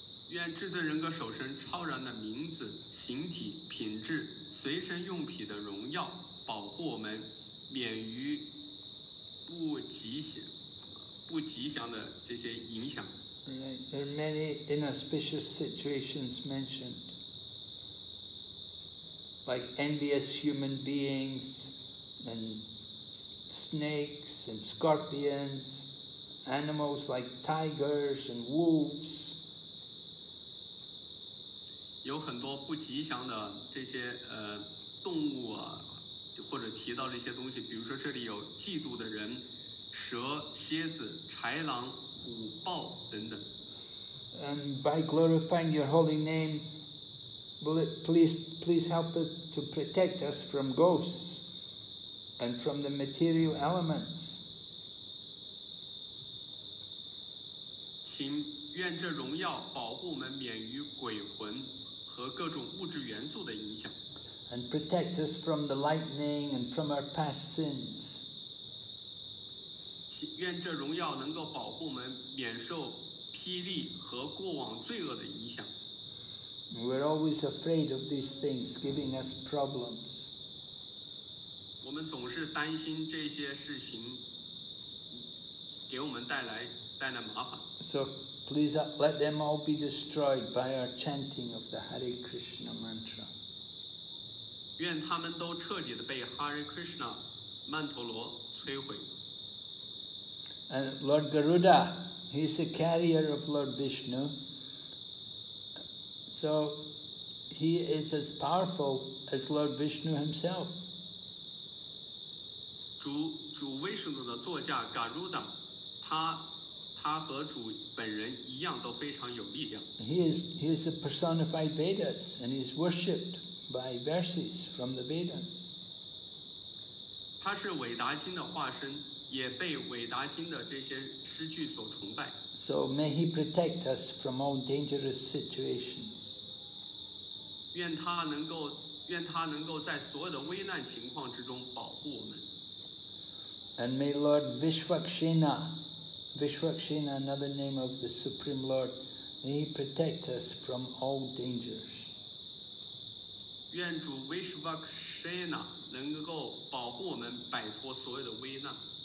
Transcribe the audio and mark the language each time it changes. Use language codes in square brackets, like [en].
[zh] 愿至尊人格首身超然的名字、形体、品质、随身用品的荣耀保护我们免于不吉祥的这些影响。 [en] Right. There are many inauspicious situations mentioned, like envious human beings, and snakes and scorpions, animals like tigers and wolves. [zh] 有很多不吉祥的这些动物啊，或者提到这些东西，比如说这里有嫉妒的人，蛇、蝎子、豺狼。 [en] And by glorifying your holy name, will it please help us to protect us from ghosts and from the material elements? [zh] 请愿这荣耀保护我们免于鬼魂和各种物质元素的影响。 [en] And protect us from the lightning and from our past sins. [zh] 愿这荣耀能够保护我们免受霹雳和过往罪恶的影响。 [en] We're always afraid of these things giving us problems. [zh] 我们总是担心这些事情给我们带来麻烦。 [en] So please let them all be destroyed by our chanting of the Hare Krishna mantra. [zh] 愿他们都彻底的被 Hare Krishna 曼陀罗摧毁。 [en] And Lord Garuda, he's the carrier of Lord Vishnu. So he is as powerful as Lord Vishnu himself. [zh] 主 Vishnu 的座驾 Garuda, 他和主本人一样都非常有力量。 [en] He is the personified Vedas, and he's worshipped by verses from the Vedas. [zh] 他是韦达金的化身。也被韦达金的这些诗句所崇拜。 [en] So may he protect us from all dangerous situations. [zh] 愿他能够在所有的危难情况之中保护我们。 [en] And may Lord Vishvakshena, another name of the Supreme Lord, may he protect us from all dangers. [zh] 愿主 Vishvakshena 能够保护我们摆脱所有的危难。